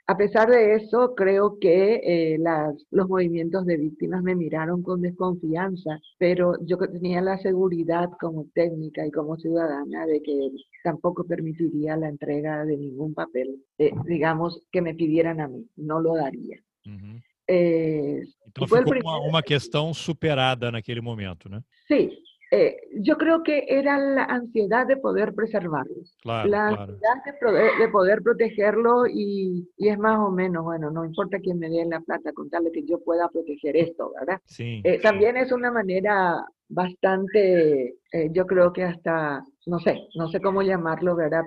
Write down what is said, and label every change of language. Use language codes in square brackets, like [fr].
[es] A pesar de eso, creo que los movimientos de víctimas me miraron con desconfianza, pero yo tenía la seguridad como técnica y como ciudadana de que tampoco permitiría la entrega de ningún papel, digamos, que me pidieran a mí, no lo daría. Uh-huh. [pt] Então ficou uma questão superada naquele momento, né? Sim. [es] Yo creo que era la ansiedad de poder preservarlos, claro, la ansiedad de poder protegerlos y es más o menos, bueno, no importa quién me dé la plata, con tal de que yo pueda proteger esto, ¿verdad? Sí. También es una manera bastante, yo creo que hasta, no sé cómo llamarlo, ¿verdad?